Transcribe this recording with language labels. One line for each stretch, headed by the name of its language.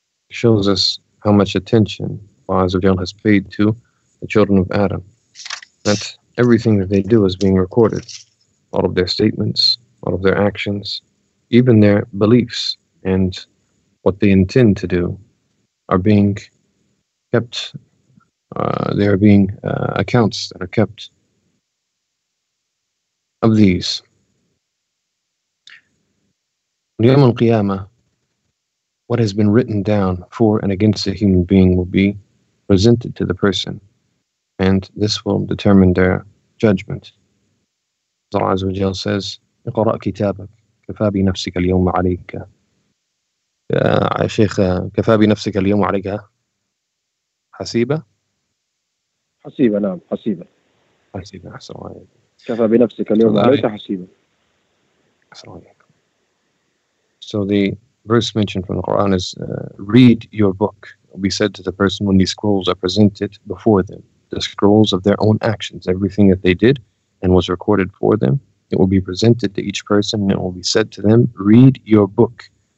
English: It shows us how much attention Allah Azza wa Jalla has paid to the children of Adam, that everything that they do is being recorded, all of their statements, all of their actions, even their beliefs and what they intend to do are being kept, there are being accounts that are kept of these. On Yawm al-Qiyamah, what has been written down for and against a human being will be presented to the person, and this will determine their judgment. Allah Azza wa Jalla says,
Arabic: اقرأ كتابك كفى بنفسك اليوم عليك يا شيخ كفى بنفسك اليوم عليك حسيبة حسيبة نعم حسيبة حسيبة حسيبة كفى بنفسك اليوم عليك حسيبة حسيبة.
English: So the verse mentioned from the Quran is read your book, be said to the person when these scrolls are presented before them, the scrolls of their own actions, everything that they did and was recorded for them. It will be presented to each person and it will be said to them, read your book.